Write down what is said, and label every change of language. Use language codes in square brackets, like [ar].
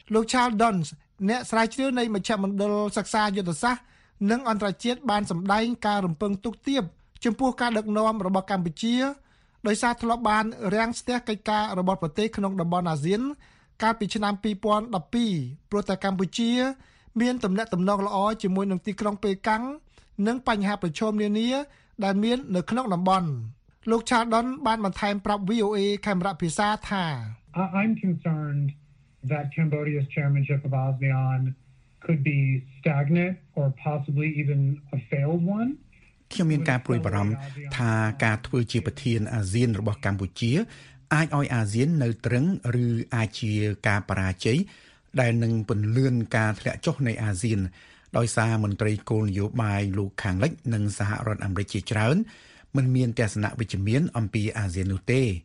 [km] លោក Charles Duns អ្នកស្រាវជ្រាវនៃមជ្ឈមណ្ឌលសិក្សាយុទ្ធសាស្ត្រនិងអន្តរជាតិបានសម្ដែងការរំពឹងទុកទៀបចំពោះការដឹកនាំរបស់កម្ពុជាដោយសារធ្លាប់បានរាំងស្ទះកិច្ចការរបស់ប្រទេសក្នុងតំបន់អាស៊ានកាលពីឆ្នាំ2012ព្រោះតែកម្ពុជាមានទំនាក់ទំនងល្អជាមួយនឹងទីក្រុងប៉េកាំងនិងបញ្ហាប្រឈមនានាដែលមាននៅក្នុងតំបន់លោកឆាដុនបានបន្ថែមប្រាប់ VOA កាមេរ៉ាភាសាថា [en] I'm concerned that Cambodia's chairmanship of ASEAN could be stagnant or possibly even a failed one [km] ខ្ញុំមានការព្រួយបារម្ភថាការធ្វើជាប្រធានអាស៊ានរបស់កម្ពុជាអាចឲ្យអាស៊ាននៅទ្រឹងឬអាចជាការបរាជ័យដែលនឹងពន្លឿនការធ្លាក់ចុះនៃអាស៊ានដោយសារមន្ត្រីគោលនយោបាយលោកខាងលិចនិងសហរដ្ឋអាមេរិកជាច្រើនមិនមានទស្សនៈវិជ្ជមានអំពីអាស៊ាននោះទេ